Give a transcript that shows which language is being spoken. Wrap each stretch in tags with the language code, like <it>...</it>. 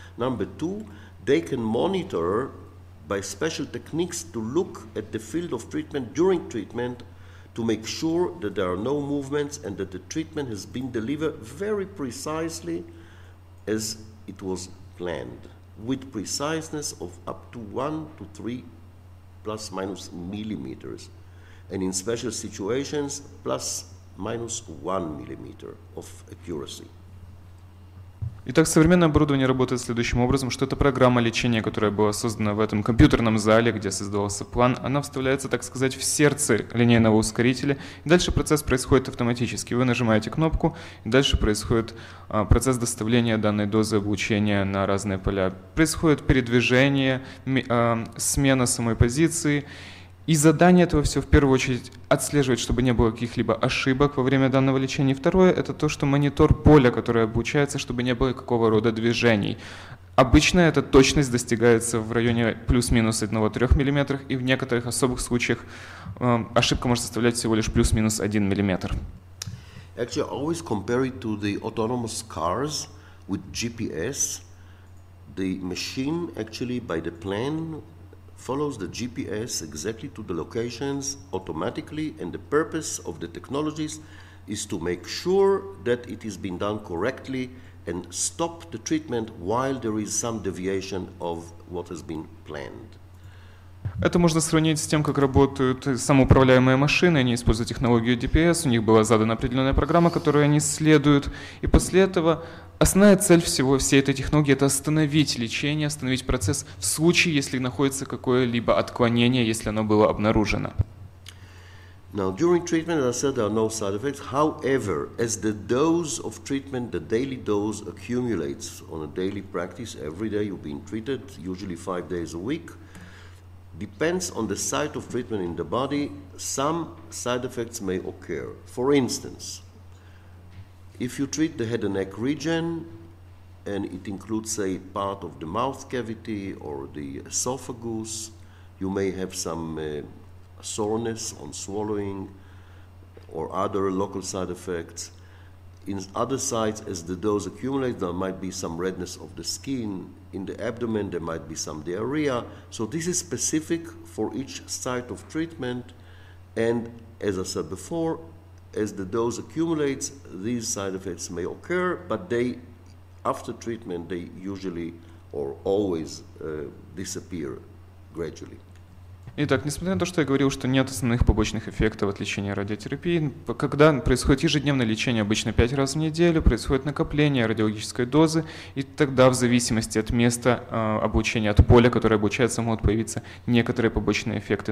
<en>Number two, they can monitor by special techniques to look at the field of treatment during treatment to make sure that there are no movements and that the treatment has been delivered very precisely as it was planned, with preciseness of up to 1 to 3 plus minus millimeters, and in special situations, plus minus 1 millimeter of accuracy.</en> <ru>Итак, современное оборудование работает следующим образом, что это программа лечения, которая была создана в этом компьютерном зале, где создавался план, она вставляется, так сказать, в сердце линейного ускорителя, и дальше процесс происходит автоматически. Вы нажимаете кнопку, и дальше происходит процесс доставления данной дозы облучения на разные поля. Происходит передвижение, смена самой позиции. И задание этого все в первую очередь отслеживать, чтобы не было каких-либо ошибок во время данного лечения. Второе – это то, что монитор поля, которое облучается, чтобы не было какого рода движений. Обычно эта точность достигается в районе плюс-минус 1-3 мм, и в некоторых особых случаях ошибка может составлять всего лишь плюс-минус 1 мм.</ru> <en>Actually, I always compare it to the autonomous cars with GPS. The machine actually by the plan follows the GPS exactly to the locations automatically, and the purpose of the technologies is to make sure that it has been done correctly and stop the treatment while there is some deviation of what has been planned.</en> <ru>Это можно сравнить с тем, как работают самоуправляемые машины. Они используют технологию GPS, у них была задана определенная программа, которую они следуют, и после этого основная цель всего всей этой технологии – это остановить лечение, остановить процесс в случае, если находится какое-либо отклонение, если оно было обнаружено.</ru> <en>Now, during treatment, as I said, there are no side effects. However, as the dose of treatment, the daily dose accumulates on a daily practice, every day you've been treated, usually 5 days a week, depends on the site of treatment in the body, some side effects may occur. For instance, if you treat the head and neck region and it includes, say, part of the mouth cavity or the esophagus, you may have some soreness on swallowing or other local side effects. In other sites, as the dose accumulates, there might be some redness of the skin. In the abdomen, there might be some diarrhea. So this is specific for each site of treatment. And as I said before, as the dose accumulates, these side effects may occur, but they, after treatment, they usually or always disappear gradually.</en> <ru>Итак, несмотря на то, что я говорил, что нет основных побочных эффектов от лечения радиотерапии, когда происходит ежедневное лечение, обычно 5 раз в неделю, происходит накопление радиологической дозы, и тогда в зависимости от места облучения, от поля, которое облучается, могут появиться некоторые побочные эффекты.</ru>